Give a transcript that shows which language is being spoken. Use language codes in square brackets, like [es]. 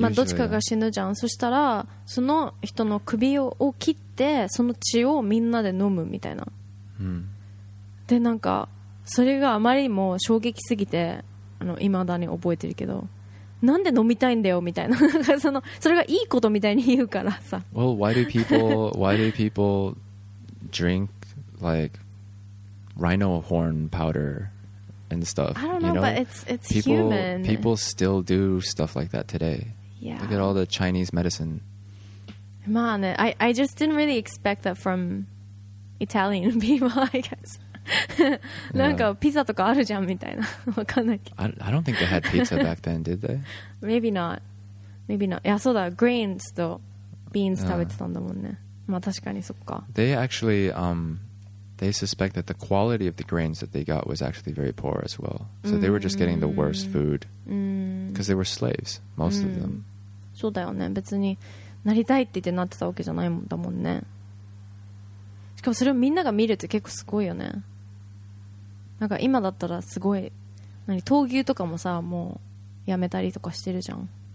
[ja] まあ、どっちかが死ぬじゃん、そしたらその人の首 を切ってその血をみんなで飲むみたいな、 mm. でなんかそれがあまりにも衝撃すぎて、いまだに覚えてるけど、なんで飲みたいんだよみたいな、それがいいことみたいに言うからさ。 [en] Well, why do people drink like rhino horn powder and stuff? I don't know, but it's human. People still do stuff like that today. Yeah. Look at all the Chinese medicine. [ja] まあね、 [en] I just didn't really expect that from Italian people, I guess. [ja] なんかピザとかあるじゃんみたいな、わかんないけど。 [en] I don't think they had pizza back then, did they? Maybe not. [ja] いや、そうだ、grains と beans 食べてたんだもんね。まあ確かにそっか。 [en] They actually, they suspect that the quality of the grains that they got was actually very poor as well. So they were just getting the worst food. Because they were slaves, most of them. [ja] そうだよね。別になりたいって言ってなってたわけじゃないもんだもんね。しかもそれをみんなが見るって結構すごいよね。なんか今だったらすごい、何、闘牛とかもさ、もうやめたりとかしてるじゃん。